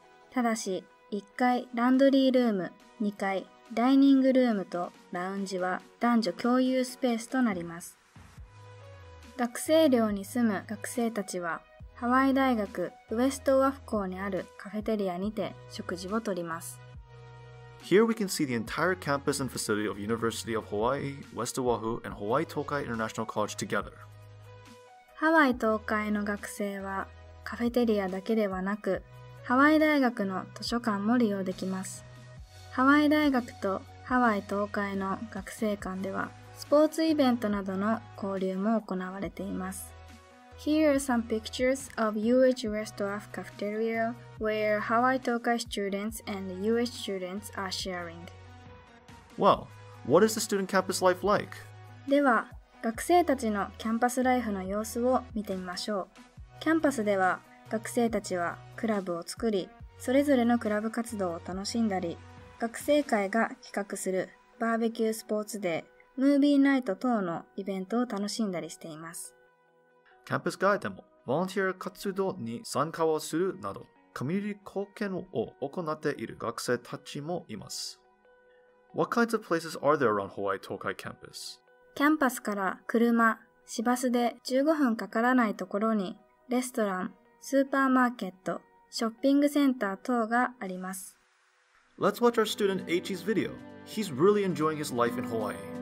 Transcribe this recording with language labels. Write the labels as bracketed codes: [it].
[ja] ただし、1階ランドリールーム、2階ダイニングルームとラウンジは男女共有スペースとなります。学生寮に住む学生たちは、ハワイ大学ウエストオアフ校にあるカフェテリアにて食事をとります。 [en] Here we can see the entire campus and facility of University of Hawaii, West Oahu, and Hawaii Tokai International College together. [ja] ハワイ東海の学生はカフェテリアだけではなく、ハワイ大学の図書館も利用できます。ハワイ大学とハワイ東海の学生間では、スポーツイベントなどの交流も行われています。 [en] Here are some pictures of UH West Oahu Cafeteria where Hawaii Tokai students and UH students are sharing. Well, what is the student campus life like? [ja] では、学生たちのキャンパスライフの様子を見てみましょう。キャンパスでは、学生たちはクラブを作り、それぞれのクラブ活動を楽しんだり、学生会が企画するバーベキュースポーツデー、ムービーナイト等のイベントを楽しんだりしています。キャンパス外でもボランティア活動に参加をするなど、コミュニティ貢献を行っている学生たちもいます。 [en] What kinds of places are there around Hawaii Tokai campus? [ja] キャンパスから車、市バスで15分かからないところに、レストラン、スーパーマーケット、ショッピングセンター等があります。 [en] Let's watch our student H's video. He's really enjoying his life in Hawaii.